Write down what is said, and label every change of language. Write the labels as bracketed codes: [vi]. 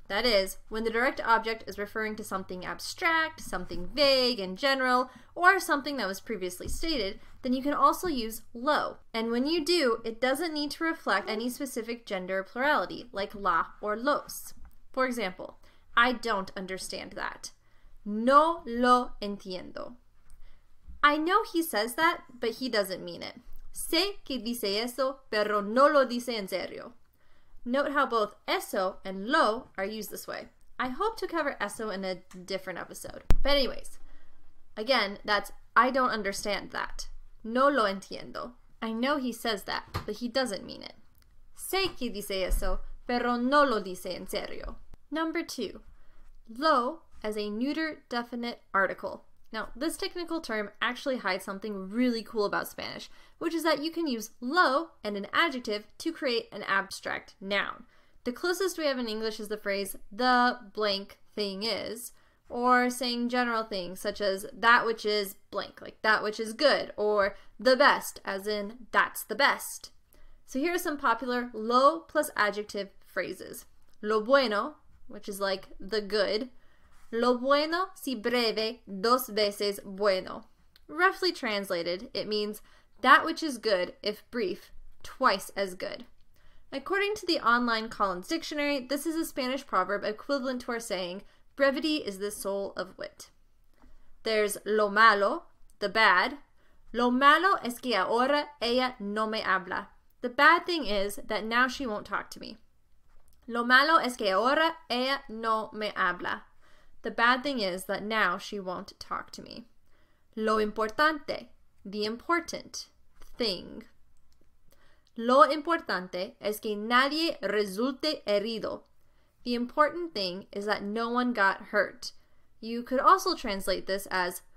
[en] That is, when the direct object is referring to something abstract, something vague and general, or something that was previously stated, then you can also use lo. And when you do, it doesn't need to reflect any specific gender plurality, like la or los. For example, I don't understand that. [es] No lo entiendo. [en] I know he says that, but he doesn't mean it. [es] Sé que dice eso, pero no lo dice en serio. [en] Note how both eso and lo are used this way. I hope to cover eso in a different episode. But anyways, again, that's I don't understand that. [es] No lo entiendo. [en] I know he says that, but he doesn't mean it. [es] Sé que dice eso, pero no lo dice en serio. [en] Number 2. Lo as a neuter definite article. Now, this technical term actually hides something really cool about Spanish, which is that you can use lo and an adjective to create an abstract noun. The closest we have in English is the phrase the blank thing is, or saying general things such as that which is blank, like that which is good, or the best, as in that's the best. So here are some popular lo plus adjective phrases. [es] Lo bueno, [en] which is like the good. [es] Lo bueno, si breve, dos veces bueno. [en] Roughly translated, it means that which is good, if brief, twice as good. According to the online Collins Dictionary, this is a Spanish proverb equivalent to our saying, brevity is the soul of wit. There's lo malo, the bad. [es] Lo malo es que ahora ella no me habla. [en] The bad thing is that now she won't talk to me. [es] Lo malo es que ahora ella no me habla. [en] The bad thing is that now she won't talk to me. Lo importante, the important thing. [es] Lo importante es que nadie resulte herido. [en] The important thing is that no one got hurt. You could also translate this as